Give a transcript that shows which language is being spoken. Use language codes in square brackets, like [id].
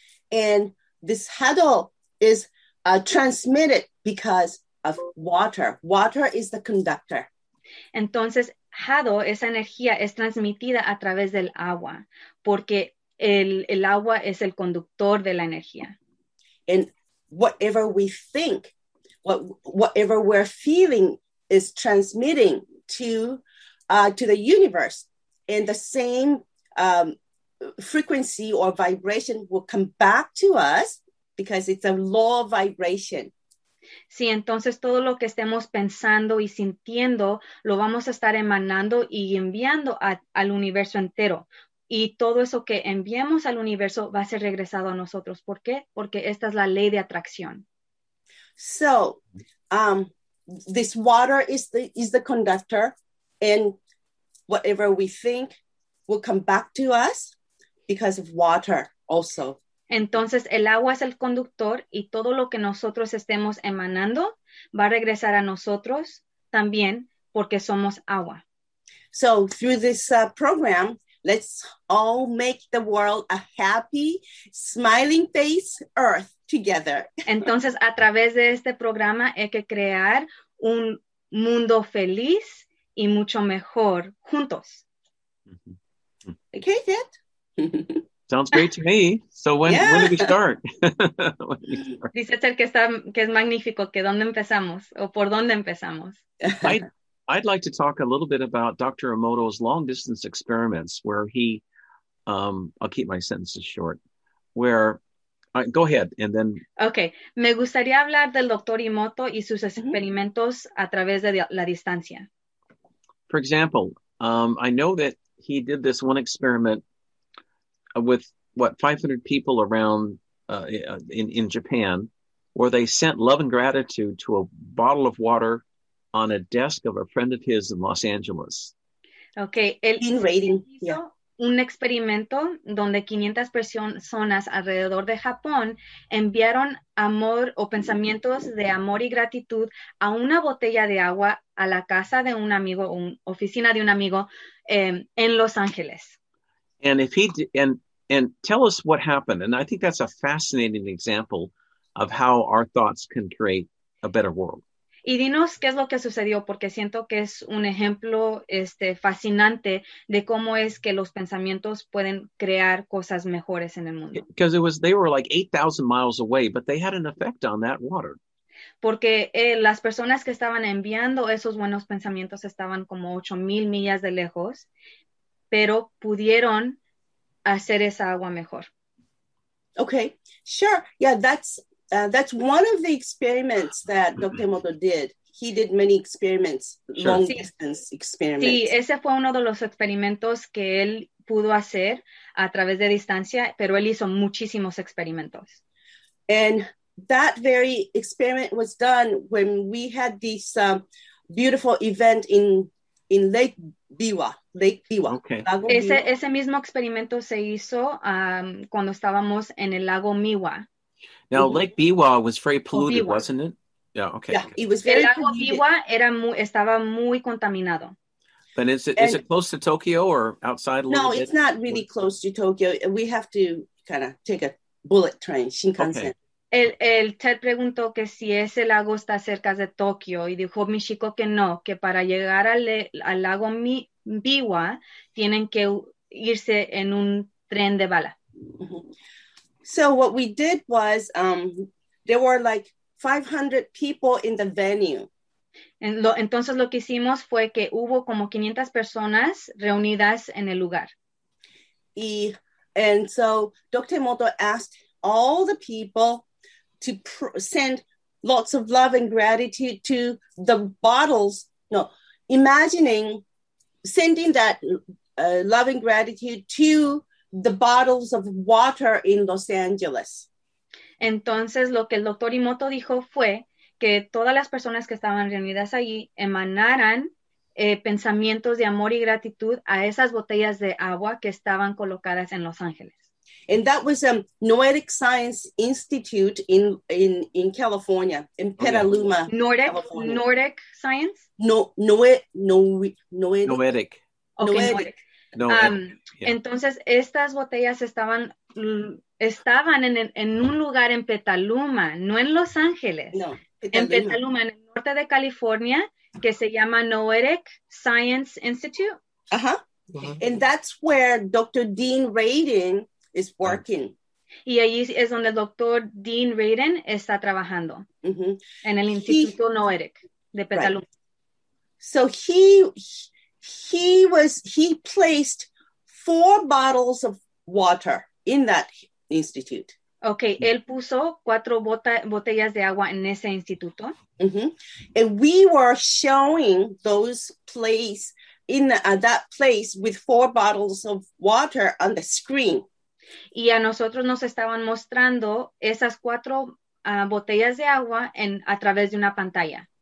[en] And this hado is transmitted because of water. Water is the conductor. [es] Entonces, hado, esa energía es transmitida a través del agua, porque el agua es el conductor de la energía. [en] And whatever we think, whatever we're feeling is transmitting to the universe, and the same frequency or vibration will come back to us because it's a law of vibration. [es] Sí, entonces todo lo que estemos pensando y sintiendo lo vamos a estar emanando y enviando al universo entero. Y todo eso que enviemos al universo va a ser regresado a nosotros. ¿Por qué? Porque esta es la ley de atracción. [en] So, this water is the conductor, and whatever we think will come back to us because of water also. [es] Entonces, el agua es el conductor y todo lo que nosotros estemos emanando va a regresar a nosotros también porque somos agua. [en] So, through this program, let's all make the world a happy, smiling face Earth together. [es] Entonces, a través de este programa hay que crear un mundo feliz y mucho mejor juntos. [en] Mm-hmm. Okay, Dad? Sounds great to me. So when do we start? [es] Dice Ser que es magnífico, que ¿dónde empezamos? ¿O por dónde empezamos? [en] I'd like to talk a little bit about Dr. Emoto's long-distance experiments where he, I'll keep my sentences short, where, go ahead, and then... [es] Okay, me gustaría hablar del Dr. Emoto y sus experimentos a través de la distancia. [en] For example, I know that he did this one experiment with, 500 people around in Japan, where they sent love and gratitude to a bottle of water on a desk of a friend of his in Los Angeles. Okay, el in rating. [es] Un experimento donde 500 personas alrededor de Japón enviaron amor o pensamientos de amor y gratitud a una botella de agua a la casa de un amigo, un oficina de un amigo en Los Ángeles. [en] And if he and tell us what happened, and I think that's a fascinating example of how our thoughts can create a better world. [es] Y dinos qué es lo que sucedió, porque siento que es un ejemplo fascinante de cómo es que los pensamientos pueden crear cosas mejores en el mundo. [en] Because it was, they were like 8,000 miles away, but they had an effect on that water. [es] Porque las personas que estaban enviando esos buenos pensamientos estaban como 8,000 millas de lejos, pero pudieron hacer esa agua mejor. [en] Okay, sure. Yeah, that's one of the experiments that Dr. Emoto did. He did many experiments, sure. Long distance experiments. [es] Sí, ese fue uno de los experimentos que él pudo hacer a través de distancia, pero él hizo muchísimos experimentos. [en] And that very experiment was done when we had this beautiful event in Lake Biwa. Okay. [es] Ese mismo experimento se hizo cuando estábamos en el lago Miwa. [en] Now, Lake Biwa was very polluted, wasn't it? Yeah, okay. Yeah, it was very polluted. [es] El lago Biwa estaba muy contaminado. [en] But is it close to Tokyo or outside a little bit? No, it's not really close to Tokyo. We have to kind of take a bullet train, Shinkansen. Okay. [es] El Ted preguntó que si ese lago está cerca de Tokio y dijo mi chico que no, que para llegar al lago Biwa tienen que irse en un tren de bala. [en] So what we did was there were like 500 people in the venue. [es] Entonces lo que hicimos fue que hubo como 500 personas reunidas en el lugar. [en] And so Dr. Emoto asked all the people to send lots of love and gratitude to the bottles. No, imagining sending that love and gratitude to the bottles of water in Los Angeles. [es] Entonces, lo que el Dr. Emoto dijo fue que todas las personas que estaban reunidas allí emanaran pensamientos de amor y gratitud a esas botellas de agua que estaban colocadas en Los Ángeles. [en] And that was a Noetic Science Institute in California, in Petaluma, Nordic, California. Nordic Science? Noetic. Noetic. Okay, Noetic. Yeah. [es] Entonces, estas botellas estaban en un lugar en Petaluma, no en Los Ángeles. No, Petaluma. En Petaluma, en el norte de California, que se llama Noetic Science Institute. [en] Uh-huh. And that's where Dr. Dean Radin is working. [es] Y ahí es donde el Dr. Dean Radin está trabajando. Mm-hmm. En el Instituto Noetic de Petaluma. [en] Right. So he placed 4 bottles of water in that institute. [es] Okay, él puso 4 botellas de agua en ese instituto. Mm-hmm. [en] And we were showing those place in that place with 4 bottles of water on the screen. [es] Y a nosotros nos estaban mostrando esas 4 botellas de agua en a través de una pantalla.